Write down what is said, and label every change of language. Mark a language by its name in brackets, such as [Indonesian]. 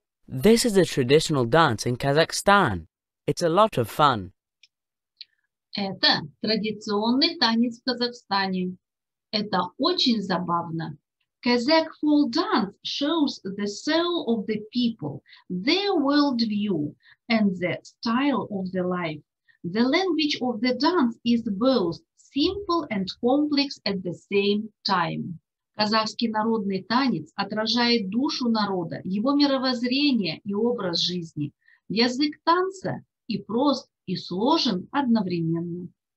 [English] This is a traditional dance in Kazakhstan. It's a lot of fun. [Russian] Это традиционный танец в Казахстане. Это очень забавно. [English] Kazakh folk dance shows the soul of the people, their worldview, and the style of the life. The language of the dance is both simple and complex at the same time. [Russian] Казахский народный танец отражает душу народа, его мировоззрение и образ жизни. Язык танца и прост, и сложен одновременно.